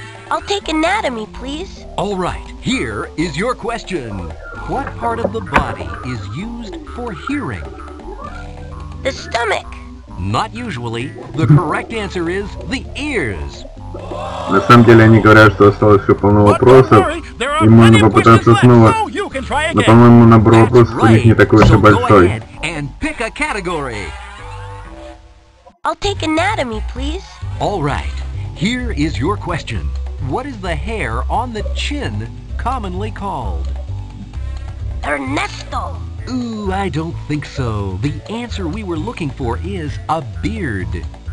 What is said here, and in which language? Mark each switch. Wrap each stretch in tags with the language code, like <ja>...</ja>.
<en>I'll take anatomy, please. All right. Here is your question. What part of the body is used for hearing? The stomach. Not usually. The correct answer is the ears.</en> <ru>На самом деле они говорят, что осталось еще полно вопросов, и можно попытаться снова. Но, по-моему, набор вопросов у них не такой уж и большой.</ru> <en>And pick a category. I'll take anatomy, please. All right. Here is your question. What is the hair on the chin commonly called? Ernesto. Ooh, I don't think so. The answer we were looking for is a beard.</en>